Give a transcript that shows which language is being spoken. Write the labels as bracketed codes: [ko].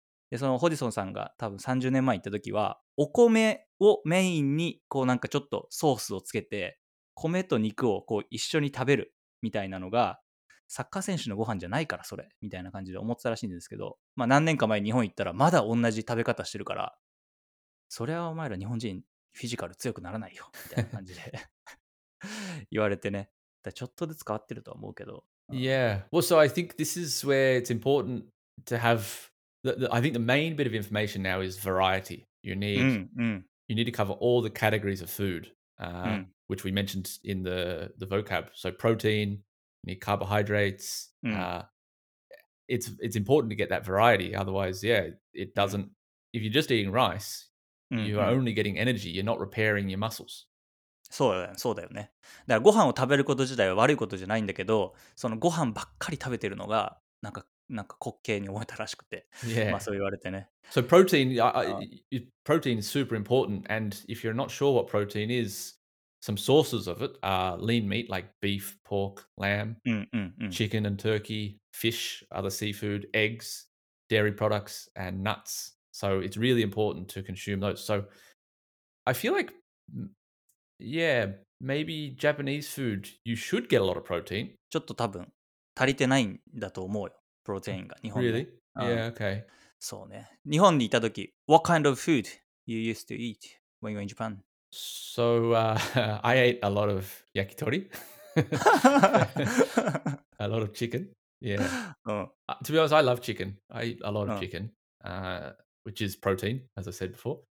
[ja] でそのホジソンさんが多分30年前行った時はお米をメインにこうなんかちょっとソースをつけて米と肉をこう一緒に食べるみたいなのがサッカー選手のご飯じゃないからそれみたいな感じで思ってたらしいんですけど、まあ何年か前日本行ったらまだ同じ食べ方してるから、それはお前ら日本人フィジカル強くならないよみたいな感じで言われてね、だちょっとずつ変わってるとは思うけど。 [en] Yeah, well, so I think this is where it's important to have I think the main bit of information now is variety. You need to cover all the categories of food, which we mentioned in the vocab. So protein, you need carbohydrates. It's important to get that variety. Otherwise, yeah, it doesn't. If you're just eating rice, you are only getting energy. You're not repairing your muscles. [ja] そうだよね、そうだよね。だからご飯を食べること自体は悪いことじゃないんだけど、そのご飯ばっかり食べてるのがなんか滑稽に思えたらしくて、まあそう言われてね。 [en] So protein, protein is super important. And if you're not sure what protein is, some sources of it are lean meat like beef, pork, lamb, chicken and turkey, fish, other seafood, eggs, dairy products and nuts. So it's really important to consume those. So I feel like, yeah, maybe Japanese food, you should get a lot of protein. [ja] ちょっと多分足りてないんだと思うよ。プロテインが日本で、 [en] really? Yeah, okay. [ja] そうね。日本にいた時、 [en] What kind of food you used to eat when you were in Japan? So, I ate a lot of yakitori. A lot of chicken. Yeah. To be honest, I love chicken. I eat a lot of chicken, which is protein, as I said before.